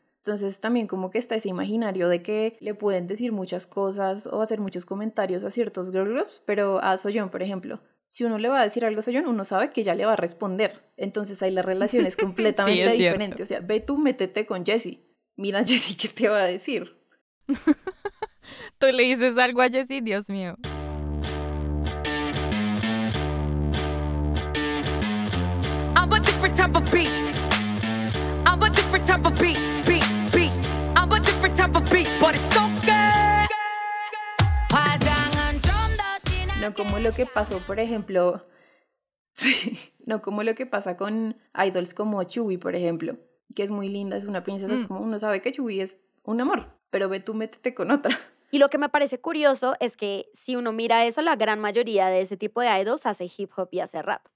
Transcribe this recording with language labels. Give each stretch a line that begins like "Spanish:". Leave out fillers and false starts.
Spanish: Entonces también como que está ese imaginario de que le pueden decir muchas cosas o hacer muchos comentarios a ciertos girl groups, pero a Soyeon, por ejemplo, si uno le va a decir algo a Soyeon, uno sabe que ya le va a responder. Entonces ahí la relación es completamente sí, es diferente. Cierto. O sea, ve tú, métete con Jessie. Mira a Jessie qué te va a decir. Tú le dices algo a Jessie, Dios mío.
English: I'm a different type of beast. I'm a different type of beast, beast, beast. I'm a different type of beast, but it's okay.
Spanish: No como lo que pasó, por ejemplo. Sí, no como lo que pasa con idols como Chubby, por ejemplo, que es muy linda, es una princesa, es como uno sabe que Chubby es un amor, pero ve tú, métete con otra. Y lo que me parece curioso es que si uno mira eso, la gran mayoría de ese tipo de idols hace hip hop y hace rap.